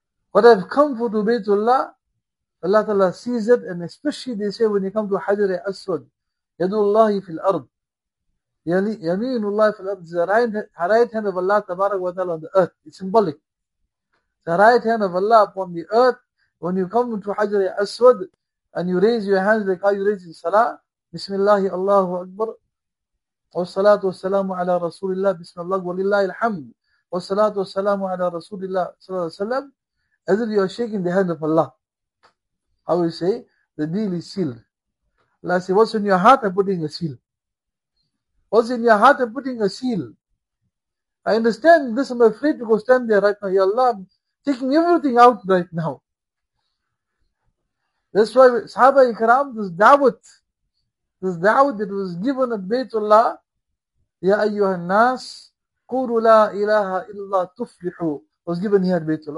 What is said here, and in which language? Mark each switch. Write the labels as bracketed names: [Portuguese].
[English] What I've come for to Baytullah, Allah Ta'ala sees it, and especially they say when you come to Hajar al-Aswad, [Arabic] Yadullahi fil ard, Yameenullahi fil ard, [English] the right hand of Allah Tabarak wa Ta'ala on the earth. It's symbolic. The right hand of Allah upon the earth, when you come to Hajar al-Aswad and you raise your hands like how you raise in Salah, Bismillahi Allahu Akbar. [Arabic] والصلاة والسلام على رسول الله بسم الله ولله الحمد والصلاة والسلام على رسول الله صلى الله عليه وسلم [English] as if you are shaking the hand of Allah. How will you say? The deal is sealed. Allah says, what's in your heart? I'm putting a seal. What's in your heart? I'm putting a seal. I understand this. I'm afraid to go stand there right now. Ya Allah, I'm taking everything out right now. That's why Sahaba Ikram, This da'wah that was given at Baytullah, [Arabic] Ya ayyuhal nas, Qulu la ilaha illa tuflihu, [English] was given here Baitullah.